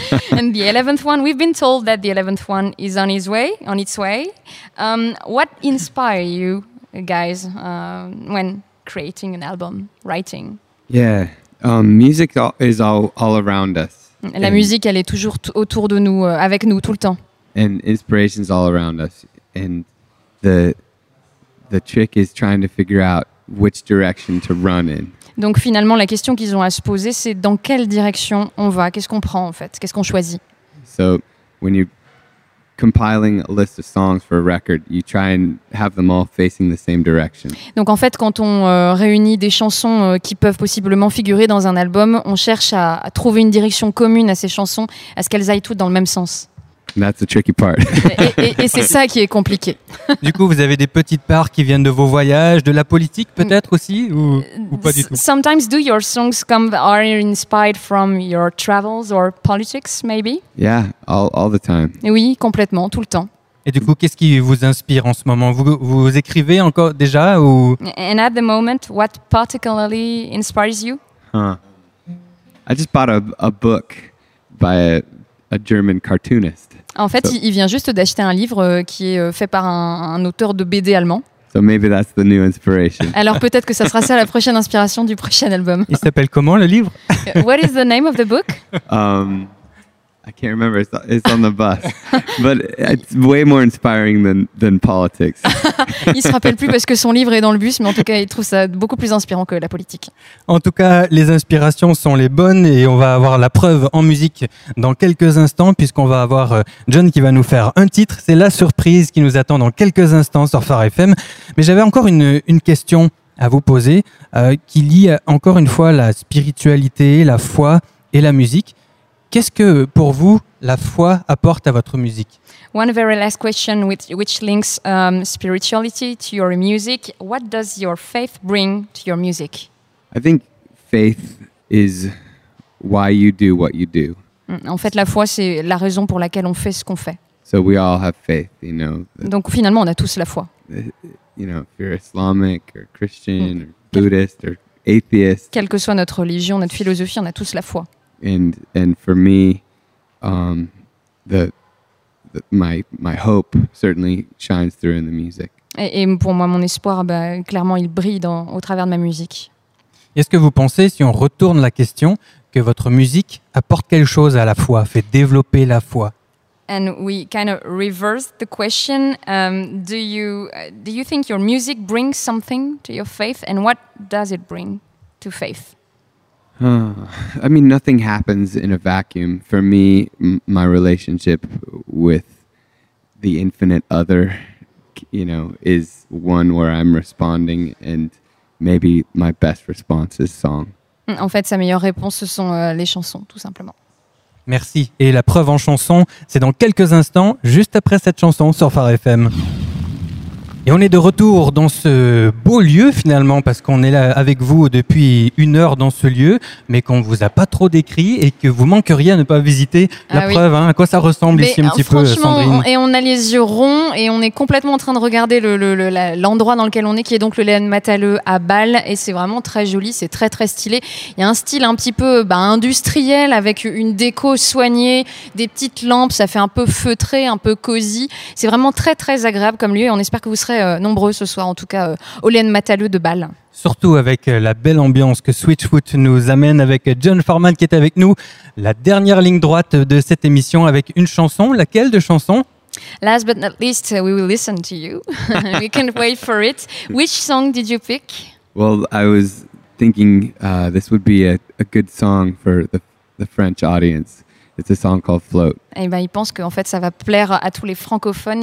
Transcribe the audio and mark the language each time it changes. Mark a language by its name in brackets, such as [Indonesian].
[English] And the 11th one, we've been told that the 11th one is on its way. What inspire you guys when creating an album, writing? Yeah, music is all around us. [French] La musique, elle est toujours autour de nous, avec nous, tout le temps. [English] And inspiration is all around us. And the trick is trying to figure out which direction to run in. [French] Donc finalement, la question qu'ils ont à se poser, c'est dans quelle direction on va? Qu'est-ce qu'on prend en fait? Qu'est-ce qu'on choisit? [English] So, when you're compiling a list of songs for a record, you try and have them all facing the same direction. [French] Donc en fait, quand on réunit des chansons qui peuvent possiblement figurer dans un album, on cherche à trouver une direction commune à ces chansons, à ce qu'elles aillent toutes dans le même sens. [English] That's the tricky part. [French] et c'est ça qui est compliqué. Du coup, vous avez des petites parts qui viennent de vos voyages, de la politique peut-être aussi, ou pas du tout? [English] Sometimes do your songs come, are inspired from your travels or politics maybe? Yeah, all the time. [French] Et oui, complètement, tout le temps. Et du coup, qu'est-ce qui vous inspire en ce moment? Vous écrivez encore déjà ou... [English] And at the moment, what particularly inspires you? I just bought a book by a German cartoonist. [French] En fait, so, il vient juste d'acheter un livre qui est fait par un auteur de BD allemand. [English] So maybe that's the new inspiration. [French] Alors peut-être que ça sera ça la prochaine inspiration du prochain album. Il s'appelle comment le livre? [English] What is the name of the book? I can't remember. It's on the bus. But it's way more inspiring than politics. [French] Il se rappelle plus parce que son livre est dans le bus, mais en tout cas, il trouve ça beaucoup plus inspirant que la politique. En tout cas, les inspirations sont les bonnes et on va avoir la preuve en musique dans quelques instants puisqu'on va avoir John qui va nous faire un titre. C'est la surprise qui nous attend dans quelques instants sur Phare FM. Mais j'avais encore une question à vous poser, qui lie encore une fois la spiritualité, la foi et la musique. Qu'est-ce que, pour vous, la foi apporte à votre musique? [English] One very last question, which links spirituality to your music. What does your faith bring to your music? I think faith is why you do what you do. [French] En fait, la foi, c'est la raison pour laquelle on fait ce qu'on fait. [English] So we all have faith, you know. [French] Donc finalement, on a tous la foi. [English] You know, if you're Islamic or Christian or Buddhist or atheist. [French] Quelle que soit notre religion, notre philosophie, on a tous la foi. [English] And for me, my hope certainly shines through in the music. [French] Et pour moi, mon espoir, bah, clairement, il brille dans, au travers de ma musique. Est-ce que vous pensez, si on retourne la question, que votre musique apporte quelque chose à la foi, fait développer la foi? [English] And we kind of reverse the question. Do you think your music brings something to your faith, and what does it bring to faith? I mean, nothing happens in a vacuum. For me, my relationship with the infinite other, you know, is one where I'm responding, and maybe my best response is song. [French] En fait, sa meilleure réponse, ce sont les chansons, tout simplement. Merci. Et la preuve en chanson, c'est dans quelques instants, juste après cette chanson sur Phare FM. Et on est de retour dans ce beau lieu finalement, parce qu'on est là avec vous depuis une heure dans ce lieu, mais qu'on ne vous a pas trop décrit et que vous manqueriez à ne pas visiter. La preuve, hein, à quoi ça ressemble ici un petit peu, Sandrine? Et on a les yeux ronds et on est complètement en train de regarder l'endroit dans lequel on est, qui est donc le Léon Mataleux à Bâle. Et c'est vraiment très joli, c'est très très stylé. Il y a un style un petit peu industriel, avec une déco soignée, des petites lampes, ça fait un peu feutré, un peu cosy. C'est vraiment très très agréable comme lieu et on espère que vous serez nombreux ce soir, en tout cas au Léon Mataleux de Bâle. Surtout avec la belle ambiance que Switchfoot nous amène, avec John Foreman qui est avec nous. La dernière ligne droite de cette émission avec une chanson. Laquelle de chanson? [English] Last but not least, we will listen to you. We can't wait for it. Which song did you pick? Well, I was thinking this would be a good song for the French audience. It's a song called Float. [French] Et ben, il pense qu'en fait, ça va plaire à tous les francophones.